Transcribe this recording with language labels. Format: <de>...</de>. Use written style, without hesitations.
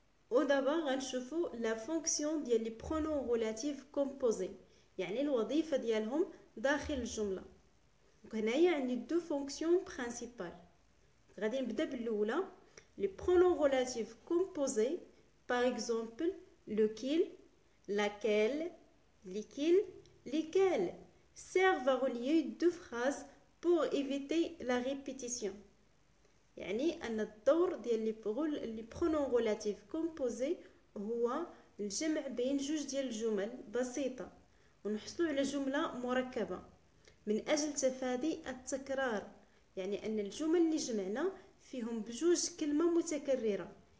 <ar>ودابا غنشوفو لا فونكسيون ديال لي برونون غولاتيف كومبوزي، يعني الوظيفه ديالهم داخل الجمله. دونك هنايا عندي دو فونكسيون برينسيبال. غادي نبدا بالاولى لي برونون غولاتيف كومبوزي.</ar> <fr>Par exemple, lequel, laquelle, lesquels, lesquels servent à relier deux phrases pour éviter la répétition.</fr> <ar>يعني أن الدور ديال لي برونون غولاتيف كومبوزي هو الجمع بين جوج ديال الجمل بسيطة ونحصلوا على جملة مركبة من أجل تفادي التكرار، يعني أن الجمل اللي جمعنا فيهم بجوج كلمة متكررة.</ar>